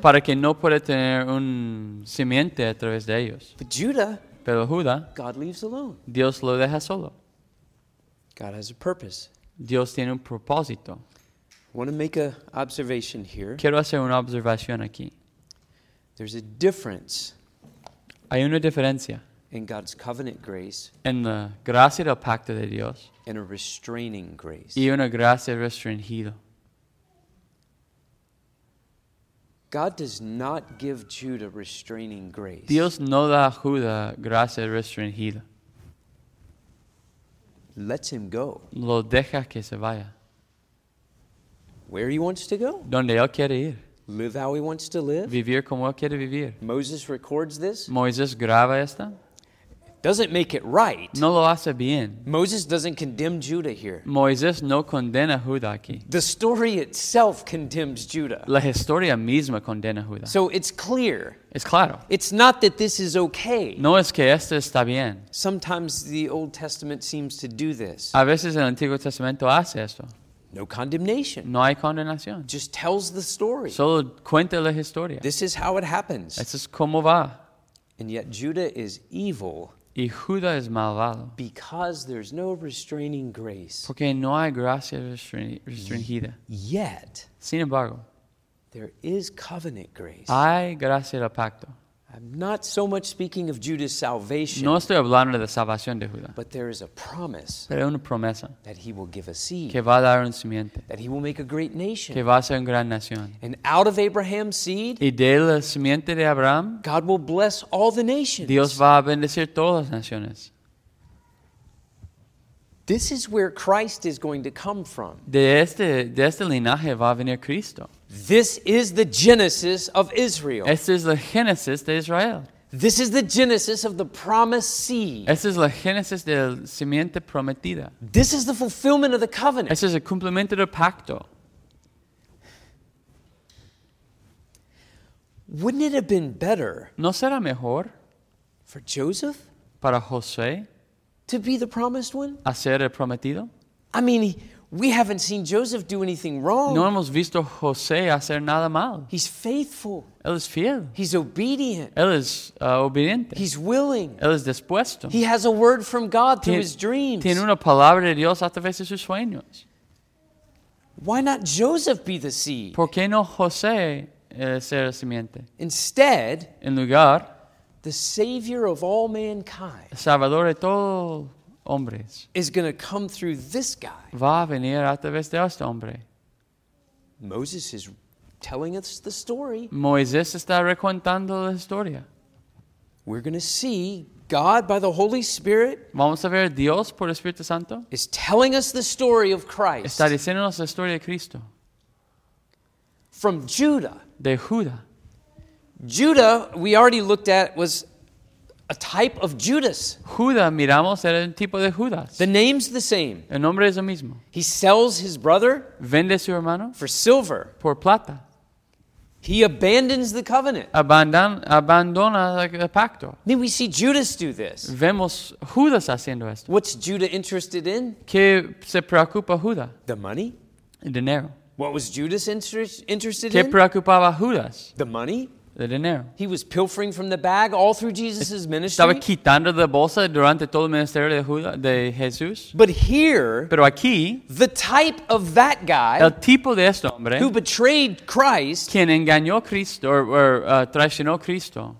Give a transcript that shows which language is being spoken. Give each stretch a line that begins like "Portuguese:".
Spanish: Para que no pueda tener un simiente a través de ellos.
English: But Judah.
Spanish: Pero Judah.
English: God leaves alone.
Spanish: Dios lo deja solo.
English: God has a purpose.
Spanish: Dios tiene un propósito.
English: I want to make an observation here.
Spanish: Quiero hacer una observación aquí.
English: There's a difference.
Spanish: Hay una diferencia.
English: In God's covenant grace.
Spanish: En la gracia del pacto de Dios.
English: And a restraining grace.
Spanish: Y una gracia restringida.
English: God does not give Judah restraining grace.
Spanish: Dios no da a Judah gracia restringida.
English: Lets him go.
Spanish: Lo deja que se vaya.
English: Where he wants to go?
Spanish: Donde él quiere ir.
English: Live how he wants to live.
Spanish: Vivir como él quiere vivir.
English: Moses records this.
Spanish: Moisés graba esta.
English: Doesn't make it right.
Spanish: No lo hace bien.
English: Moses doesn't condemn Judah here.
Spanish: Moisés no condena Judah aquí.
English: The story itself condemns Judah.
Spanish: La historia misma condena Judah.
English: So it's clear.
Spanish: Es claro.
English: It's not that this is okay.
Spanish: No es que esto está bien.
English: Sometimes the Old Testament seems to do this.
Spanish: A veces el Antiguo Testamento hace esto.
English: No condemnation.
Spanish: No hay condenación.
English: Just tells the story.
Spanish: Solo cuenta la historia.
English: This is how it happens.
Spanish: Eso es como va.
English: And yet Judah is evil.
Spanish: Y Judah es malvado.
English: Because there's no restraining grace.
Spanish: Porque no hay gracia restringida.
English: Yet.
Spanish: Sin embargo.
English: There is covenant grace.
Spanish: Hay gracia del pacto.
English: I'm not so much speaking of Judah's salvation.
Spanish: No estoy hablando de la salvación de Judá.
English: But there is a promise.
Spanish: Pero hay una promesa.
English: That he will give a seed.
Spanish: Que va a dar un simiente.
English: That he will make a great nation.
Spanish: Que va a ser una gran nación.
English: And out of Abraham's seed.
Spanish: Y de la simiente de Abraham.
English: God will bless all the nations.
Spanish: Dios va a bendecir todas las naciones.
English: This is where Christ is going to come from.
Spanish: De este linaje va a venir Cristo.
English: This is the genesis of Israel.
Spanish: Esta es la génesis de Israel.
English: This is the genesis of the promised seed.
Spanish: Esta es la génesis de la simiente prometida.
English: This is the fulfillment of the covenant.
Spanish: Este es el cumplimiento del pacto.
English: Wouldn't it have been better?
Spanish: ¿No será mejor?
English: For Joseph?
Spanish: Para José?
English: To be the promised one?
Spanish: ¿A ser el prometido?
English: I mean, We haven't seen Joseph do anything wrong.
Spanish: No hemos visto a José hacer nada mal.
English: He's faithful.
Spanish: Él es fiel.
English: He's obedient.
Spanish: Él es obediente.
English: He's willing.
Spanish: Él es dispuesto.
English: He has a word from God through his dreams.
Spanish: Tiene una palabra de Dios a través de sus sueños.
English: Why not Joseph be the seed?
Spanish: ¿Por qué no José ser la simiente?
English: Instead,
Spanish: en lugar,
English: the Savior of all mankind,
Spanish: Salvador de todos hombres,
English: is going to come through this guy.
Spanish: Va a venir a través de este hombre.
English: Moses is telling us the story.
Spanish: Moisés está recontando la historia.
English: We're going to see God by the Holy Spirit.
Spanish: Vamos a ver Dios por el Espíritu Santo.
English: Is telling us the story of Christ.
Spanish: Está diciéndonos la historia de Cristo.
English: From Judah.
Spanish: De Judá.
English: Judah, we already looked at, was a type of Judas.
Spanish: Judá, miramos, era un tipo de Judas.
English: The name's the same.
Spanish: El nombre es el mismo.
English: He sells his brother.
Spanish: Vende su hermano.
English: For silver.
Spanish: Por plata.
English: He abandons the covenant.
Spanish: Abandona el pacto.
English: Then we see Judas do this.
Spanish: Vemos Judas haciendo esto.
English: What's Judah interested in?
Spanish: ¿Qué se preocupa Judá?
English: The money.
Spanish: El dinero.
English: What was Judas interested
Spanish: ¿Qué
English: in?
Spanish: ¿Qué preocupaba Judas?
English: The money.
Spanish: El dinero.
English: He was pilfering from the bag all through Jesus' ministry.
Spanish: Estaba quitando la bolsa durante todo el ministerio de Judá, de Jesús.
English: But here,
Spanish: pero aquí,
English: the type of that guy,
Spanish: el tipo de este hombre,
English: who betrayed Christ,
Spanish: quien engañó Cristo traicionó Cristo,